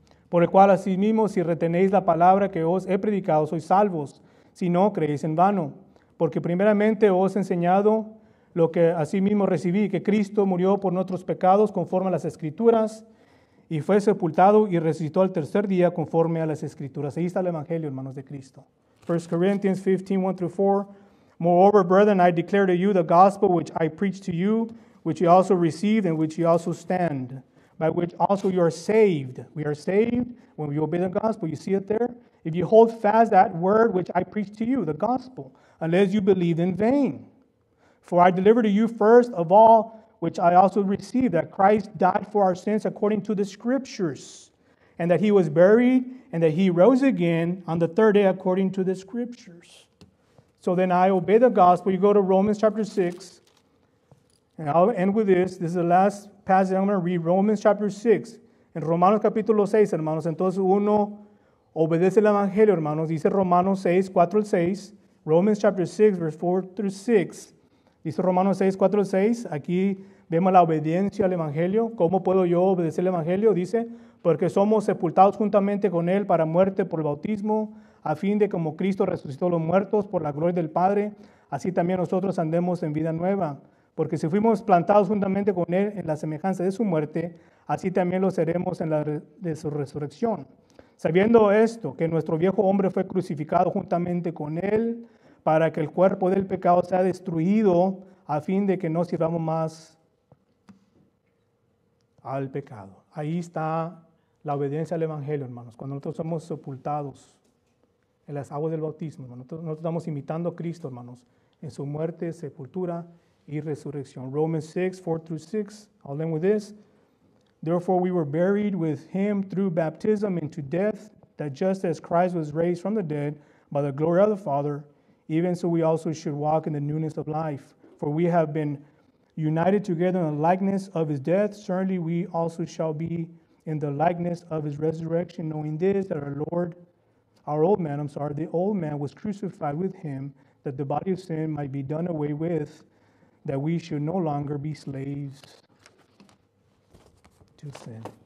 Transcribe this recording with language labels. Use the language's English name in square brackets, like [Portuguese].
[Spanish] Por el cual, asimismo, si retenéis la palabra que os he predicado, sois salvos, si no, creéis en vano. Porque primeramente os he enseñado lo que asimismo recibí, que Cristo murió por nuestros pecados conforme a las Escrituras, y fue sepultado y resucitó al tercer día conforme a las Escrituras. Ahí está el Evangelio, hermanos de Cristo. 1 Corinthians 15, 1-4. [English] Moreover, brethren, I declare to you the gospel which I preached to you, which you also received, and which you also stand, by which also you are saved. We are saved when we obey the gospel. You see it there? If you hold fast that word which I preach to you, the gospel, unless you believe in vain. For I deliver to you first of all, which I also received, that Christ died for our sins according to the scriptures, and that he was buried, and that he rose again on the third day according to the scriptures. So then I obey the gospel. You go to Romans chapter 6, and I'll end with this. This is the last passage I'm going to read, Romans chapter 6. [Spanish] En Romanos capítulo 6, hermanos, entonces uno obedece el Evangelio, hermanos. Dice Romanos 6, 4 al 6. [English] Romans chapter 6, verse 4 through 6. [Spanish] Dice Romanos 6, 4 al 6. Aquí vemos la obediencia al Evangelio. ¿Cómo puedo yo obedecer el Evangelio? Dice, porque somos sepultados juntamente con él para muerte por el bautismo, a fin de como Cristo resucitó los muertos por la gloria del Padre, así también nosotros andemos en vida nueva. porque si fuimos plantados juntamente con Él en la semejanza de su muerte, así también lo seremos en la de su resurrección. Sabiendo esto, que nuestro viejo hombre fue crucificado juntamente con Él, para que el cuerpo del pecado sea destruido, a fin de que no sirvamos más al pecado. Ahí está la obediencia al Evangelio, hermanos. Cuando nosotros somos sepultados en las aguas del bautismo, hermanos, nosotros estamos imitando a Cristo, hermanos, en su muerte, sepultura y resurrección. [English] Romans 6, 4 through 6, I'll end with this. Therefore we were buried with Him through baptism into death, that just as Christ was raised from the dead by the glory of the Father, even so we also should walk in the newness of life. For we have been united together in the likeness of His death, certainly we also shall be in the likeness of His resurrection, knowing this, that the old man was crucified with Him, that the body of sin might be done away with, that we should no longer be slaves to sin.